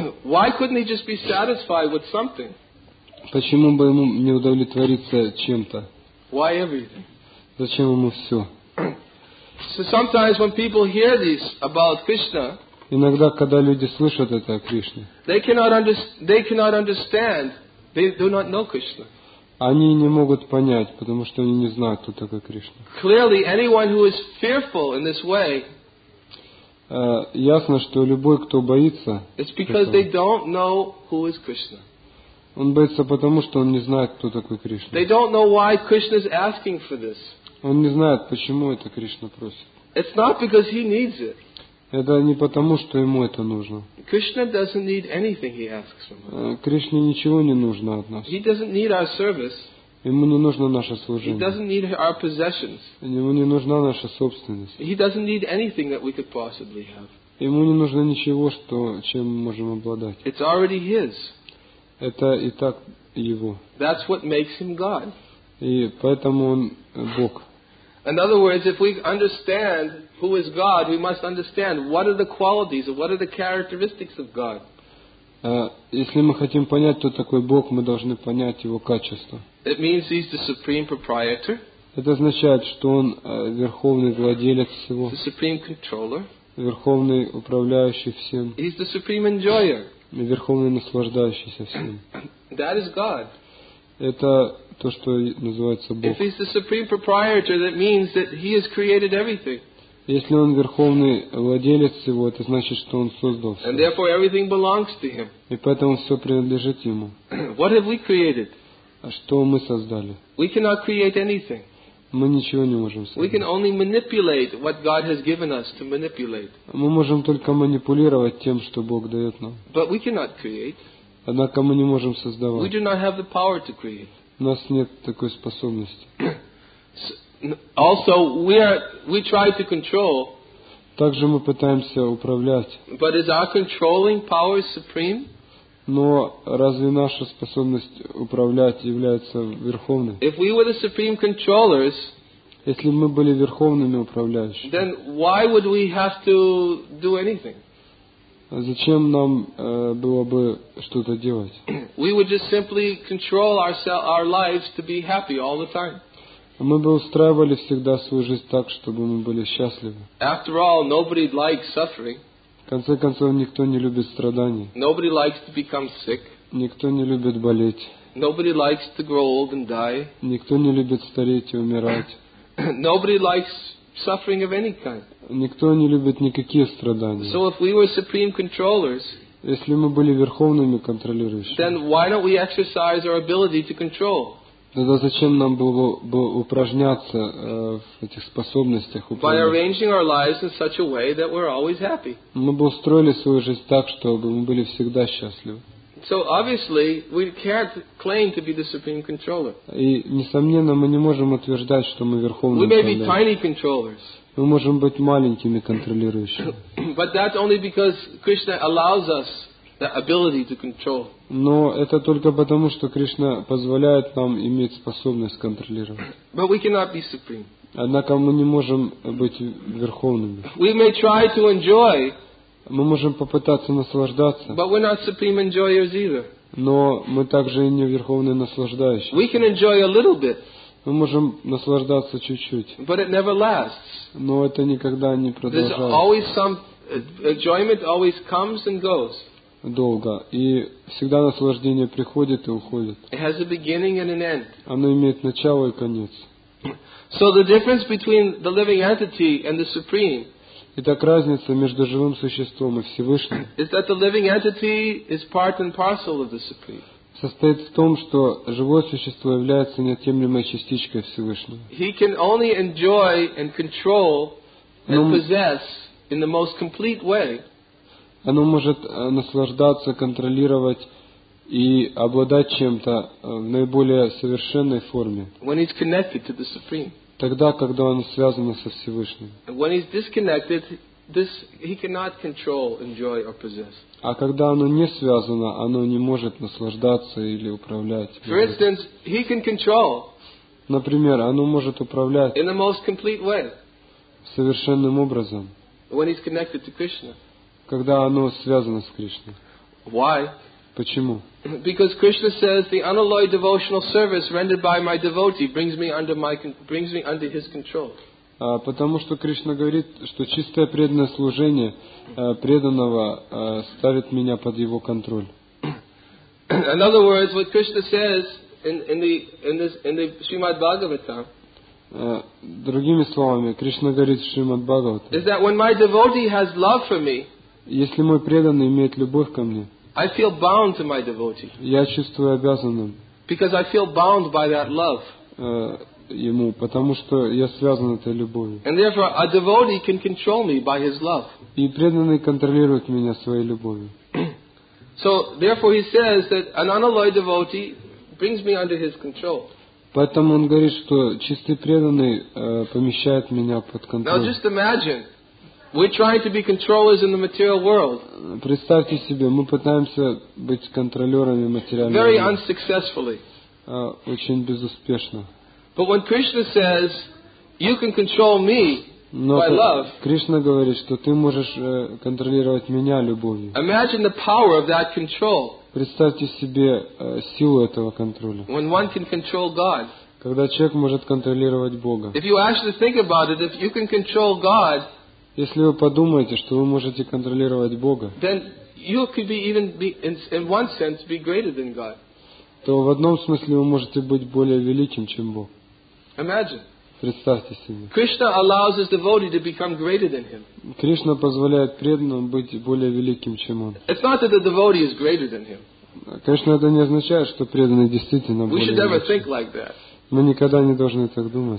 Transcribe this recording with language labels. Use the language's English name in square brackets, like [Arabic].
[English] Why couldn't he just be satisfied with something? [Russian] Почему бы ему не удовлетвориться чем-то? [English] Why everything? [Russian] Зачем ему все? [English] So sometimes when people hear this about Krishna, [Russian] иногда когда люди слышат это о Кришне, [English] they cannot understand. They do not know Krishna. [Russian] Они не могут понять, потому что они не знают, кто такой Кришна. [English] Clearly, anyone who is fearful in this way, [Russian] ясно, что любой, кто боится, [English] it's because they don't know who is Krishna. [Russian] Он боится потому, что он не знает, кто такой Кришна. [English] They don't know why Krishna is asking for this. [Russian] Он не знает, почему это Кришна просит. [English] It's not because he needs it. [Russian] Это не потому, что ему это нужно. [English] Krishna doesn't need anything he asks from us. [Russian] Кришне ничего не нужно от нас. [English] He doesn't need our service. [Russian] Ему не нужно наше служение. [English] He doesn't need our possessions. [Russian] Ему не нужна наша собственность. [English] He doesn't need anything that we could possibly have. [Russian] Ему не нужно ничего, что чем мы можем обладать. [English] It's already his. [Russian] Это и так его. [English] That's what makes him God. [Russian] И поэтому он Бог. [English] In other words, if we understand who is God, we must understand what are the qualities or what are the characteristics of God. [Russian] Если мы хотим понять, кто такой Бог, мы должны понять его качества. [English] It means he's the supreme proprietor. [Russian] Это означает, что он верховный владелец всего. [English] The supreme controller. [Russian] Верховный управляющий всем. [English] He's the supreme enjoyer. [Russian] Верховный наслаждающийся всем. [English] That is God. [Russian] Это то, что называется Бог. [English] If he's the supreme proprietor, that means that he has created everything. [Russian] Если он верховный владелец всего, это значит, что он создал все. [English] And therefore everything belongs to him. [Russian] И поэтому все принадлежит ему. [English] What have we created? [Russian] А что мы создали? [English] We cannot create anything. [Russian] Мы ничего не можем создать. [English] We can only manipulate what God has given us to manipulate. [Russian] Мы можем только манипулировать тем, что Бог дает нам. [English] But we cannot create. [Russian] Однако мы не можем создавать. [English] We do not have the power to create. [Russian] У нас нет такой способности. [English] Also, we try to control. [Russian] Также мы пытаемся управлять. [English] But is our controlling power supreme? [Russian] Но разве наша способность управлять является верховной? [English] If we were the supreme controllers, [Russian] если мы были верховными управляющими, [English] then why would we have to do anything? [Russian] Зачем нам было бы что-то делать? [English] We would just simply control our lives to be happy all the time. [Russian] Мы бы устраивали всегда свою жизнь так, чтобы мы были счастливы. [English] After all, nobody likes suffering. [Russian] В конце концов, никто не любит страданий. [English] Nobody likes to become sick. [Russian] Никто не любит болеть. [English] Nobody likes to grow old and die. [Russian] Никто не любит стареть и умирать. [English] Nobody likes suffering of any kind. [Russian] Никто не любит никакие страдания. [English] So if we were supreme controllers, [Russian] если мы были верховными контролирующими, [English] then why don't we exercise our ability to control? [Russian] Тогда зачем нам было упражняться в этих способностях управлять? [English] By arranging our lives in such a way that we're always happy. [Russian] Мы бы устроили свою жизнь так, чтобы мы были всегда счастливы. [English] So obviously we can't claim to be the supreme controller. [Russian] И несомненно мы не можем утверждать, что мы верховные. [English] We may be tiny controllers. [Russian] мы можем быть маленькими контролирующими. [English] But that's only because Krishna allows us the ability to control. [Russian] Но это только потому, что Кришна позволяет нам иметь способность контролировать. [English] But we cannot be supreme. [Russian] Однако мы не можем быть верховными. [English] We may try to enjoy. [Russian] Мы можем попытаться наслаждаться. [English] But we're not supreme enjoyers either. [Russian] Но мы также не верховные наслаждающие. [English] We can enjoy a little bit. [Russian] Мы можем наслаждаться чуть-чуть. [English] But it never lasts. [Russian] Но это никогда не продолжается. [English] There's always some enjoyment always comes and goes. [Russian] Долго. И всегда наслаждение приходит и уходит. [English] It has a beginning and an end. [Russian] Оно имеет начало и конец. [English] So the difference between the living entity and the supreme. [Russian] Итак, разница между живым существом и Всевышним. [English] Is that the living entity is part and parcel of the supreme. [Russian] Состоит в том, что живое существо является неотъемлемой частичкой Всевышнего. [English] He can only enjoy and control and possess in the most complete way. [Russian] Оно может наслаждаться, контролировать и обладать чем-то в наиболее совершенной форме. [English] When he's connected to the supreme. [Russian] Тогда, когда оно связано со Всевышним. [English] When he's disconnected, this he cannot control, enjoy or possess. [Russian] А когда оно не связано, оно не может наслаждаться или управлять. [English] For instance, he can control. [Russian] Например, оно может управлять. [English] In the most complete way. [Russian] Совершенным образом. [English] When he's connected to Krishna. [Russian] Когда оно связано с Кришной. [English] Why? [Russian] Почему? [English] Because Krishna says the unalloyed devotional service rendered by my devotee brings me under his control. [Russian] Потому что Кришна говорит, что чистое преданное служение преданного ставит меня под его контроль. [English] In other words, what Krishna says in the Srimad Bhagavatam. [Russian] Другими словами, Кришна говорит в Шримад Бхагаватам. [English] Is that when my devotee has love for me? [Russian] Если мой преданный имеет любовь ко мне. [English] I feel bound to my devotee. [Russian] Я чувствую обязанным. [English] Because I feel bound by that love. [Russian] Ему, потому что я связан этой любовью. [English] And therefore, a devotee can control me by his love. [Russian] И преданный контролирует меня своей любовью. [English] So, therefore, he says that an unalloyed devotee brings me under his control. [Russian] Поэтому он говорит, что чистый преданный помещает меня под контроль. [English] Now, just imagine. We're trying to be controllers in the material world. [Russian] Представьте себе, мы пытаемся быть контролёрами материального мира. [English] Very unsuccessfully. [Russian] Очень безуспешно. [English] But when Krishna says, "You can control me by love." [Russian] Кришна говорит, что ты можешь контролировать меня любовью. [English] Imagine the power of that control. [Russian] Представьте себе силу этого контроля. [English] When one can control God. [Russian] Когда человек может контролировать Бога. [English] If you actually think about it, if you can control God. [Russian] Если вы подумаете, что вы можете контролировать Бога, то в одном смысле вы можете быть более великим, чем Бог. [English] Imagine. [Russian] Представьте себе. [English] Krishna allows his devotee to become greater than him. [Russian] Кришна позволяет преданному быть более великим, чем он. [English] It's not that the devotee is greater than him. [Russian] Конечно, это не означает, что преданный действительно более великим. [English] We should never think like that. [Russian] Мы никогда не должны так думать.